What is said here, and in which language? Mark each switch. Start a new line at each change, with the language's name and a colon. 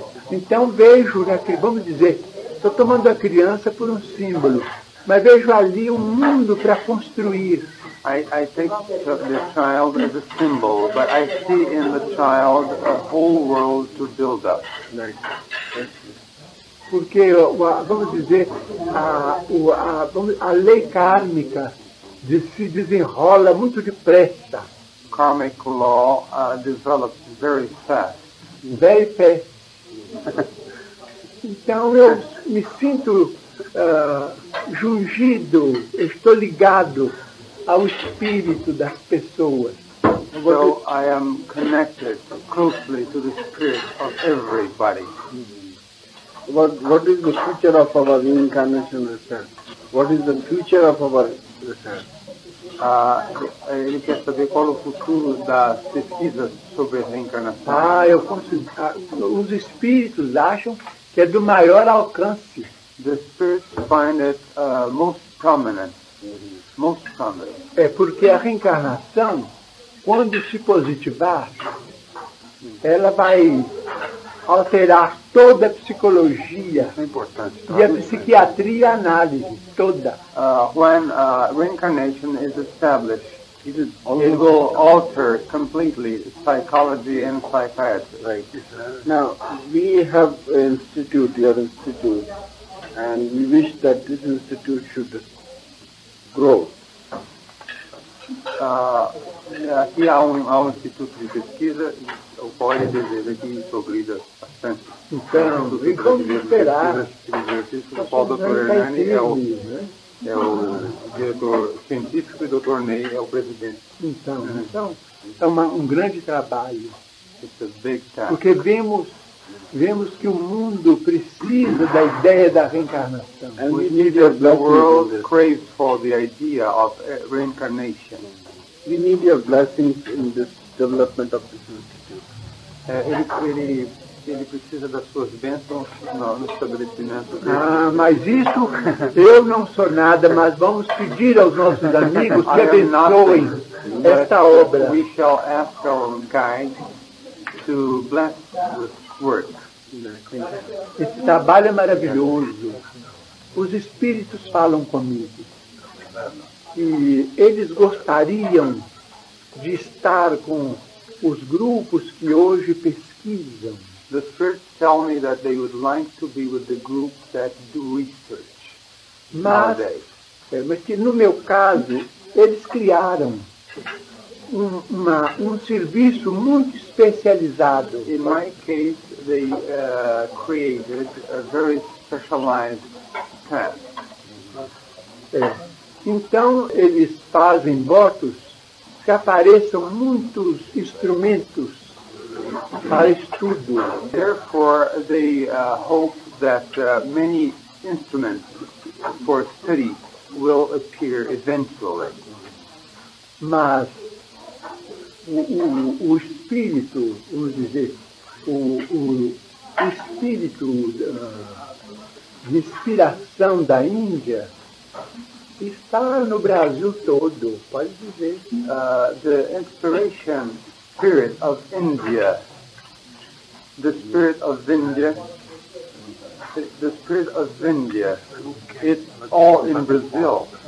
Portuguese: Então vejo, vamos dizer, estou tomando a criança por um símbolo, mas vejo ali um mundo para construir.
English: I take the child as a symbol, but I see in the child a whole world to build up.
Portuguese: Porque, vamos dizer, a lei kármica se desenrola muito depressa.
English: Karmic law develops very fast. Very fast.
Portuguese: Então eu me sinto jungido, estou ligado ao espírito das pessoas.
English: So I am connected closely to the spirit of everybody. What is the future of our reincarnation research? What is the future of our research?
Portuguese: Ele quer saber qual o futuro das pesquisas sobre a reencarnação. Os espíritos acham que é do maior alcance.
English: The spirits find it most prominent. Most prominent.
Portuguese: É porque a reencarnação, quando se positivar, ela vai alterar toda a psicologia. É importante. E a psiquiatria, análise toda.
English: When reincarnation is established, it will alter completely psychology and psychiatry. Right. Now, we have an institute, your institute, and we wish that this institute should grow.
Portuguese: Aqui há um instituto de pesquisa, o qual ele deseja que progrida bastante. Então, e como esperar? O qual o Dr. Hernani é o diretor científico e o Dr. Ney é o presidente. Então é um grande trabalho.
English: It's a big task.
Portuguese: Porque vemos que o mundo precisa da ideia da reencarnação.
English: And we need your blessing. The world craves for the idea of reincarnation. We need your blessings in this development of this institute.
Portuguese: Ele precisa das suas bênçãos no estabelecimento dele. Ah, mas isso eu não sou nada, mas vamos pedir aos nossos amigos que abençoem esta obra.
English: We shall ask our guide to bless this work.
Portuguese: Esse trabalho é maravilhoso. Os espíritos falam comigo. E eles gostariam de estar com os grupos que hoje pesquisam.
English: The spirits tell me that they would like to be with the groups that do research.
Portuguese: Mas que no meu caso, eles criaram um serviço muito especializado.
English: In my case, they created a very specialized task.
Portuguese: Então, eles fazem votos que apareçam muitos instrumentos para estudo.
English: Therefore, they hope that many instruments for study will appear eventually.
Portuguese: Mas o espírito, vamos dizer, o espírito de inspiração da Índia está no Brasil todo, pode dizer.
English: The inspiration spirit of India, the spirit of Vindhya, the spirit of Vindhya, it's all in Brazil.